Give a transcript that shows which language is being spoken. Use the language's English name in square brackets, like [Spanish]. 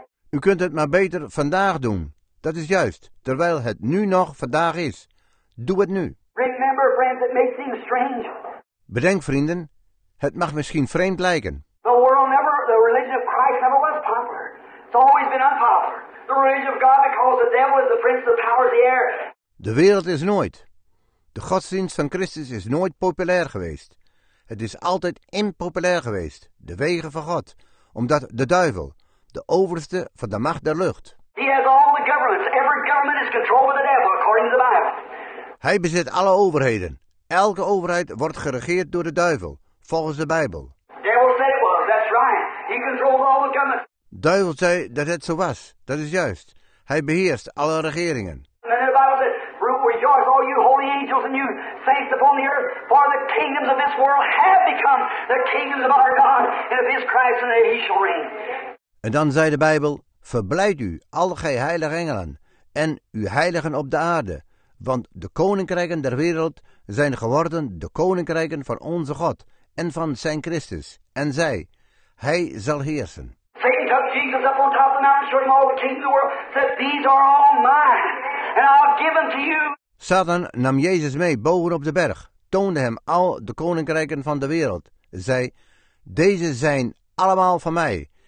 [Dutch] U kunt het maar beter vandaag doen. Dat is juist, terwijl het nu nog vandaag is. Doe het nu. [English] Remember, friends, it may seem strange. [Dutch] Bedenk, vrienden, het mag misschien vreemd lijken. [English] The world never, the religion of Christ never was popular. It's always been unpopular. The religion of God, because the devil is the prince of the power of the air. [Dutch] De wereld is nooit. De godsdienst van Christus is nooit populair geweest. Het is altijd impopulair geweest, de wegen van God, omdat de duivel, de overste van de macht der lucht. [English] He has all the governments. Every government is controlled by the devil, according to the Bible. [Dutch] Hij bezit alle overheden. Elke overheid wordt geregeerd door de duivel, volgens de Bijbel. [English] Devil said it was. That's right. He controlled all the governments. [Dutch] Duivel zei dat het zo was. Dat is juist. Hij beheerst alle regeringen. [English] And the Bible says, "Fruit rejoice, all you holy angels and you saints upon the earth, for the kingdoms of this world have become the kingdoms of our God and of His Christ, and He shall reign." [Dutch] En dan zei de Bijbel, verblijd u, al gij heilige engelen, en u heiligen op de aarde, want de koninkrijken der wereld zijn geworden de koninkrijken van onze God en van zijn Christus. En zij, hij zal heersen. [English] Satan took Jesus up on top of the mountain, showed him all the kings of the world, said, these are all mine, and I'll give them to you. [Dutch] Satan nam Jezus mee bovenop de berg, toonde hem al de koninkrijken van de wereld, zei, deze zijn allemaal van mij.